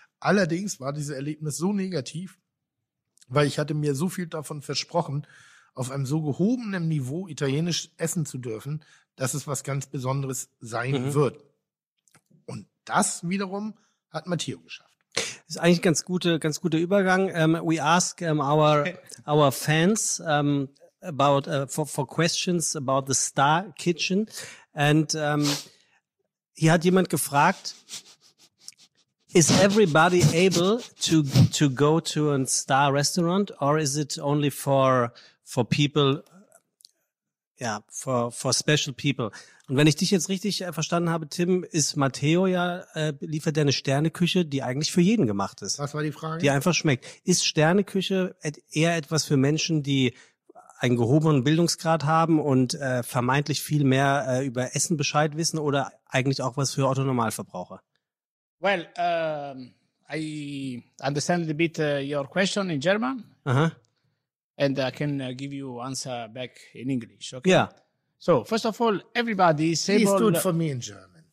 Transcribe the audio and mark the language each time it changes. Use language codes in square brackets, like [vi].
[de] Allerdings war dieses Erlebnis so negativ, weil ich hatte mir so viel davon versprochen, auf einem so gehobenen Niveau italienisch essen zu dürfen, dass es was ganz Besonderes sein wird. Und das wiederum hat Matteo geschafft. Ist eigentlich ein ganz guter Übergang. [en] We ask our fans about for questions about the Star Kitchen. And [de] hier hat jemand gefragt, [en] is everybody able to go to a Star Restaurant or is it only for people, yeah, for special people? [de] Und wenn ich dich jetzt richtig verstanden habe, Tim, ist Matteo ja, liefert der eine Sterneküche, die eigentlich für jeden gemacht ist. Was war die Frage? Die einfach schmeckt. Ist Sterneküche eher etwas für Menschen, die einen gehobenen Bildungsgrad haben und vermeintlich viel mehr über Essen Bescheid wissen oder eigentlich auch was für Otto-Normalverbraucher? [en] Well, I understand a bit your question in German. Uh-huh. And I can give you answer back in English, okay? Yeah. So, first of all, everybody is able... Please do it for me in German.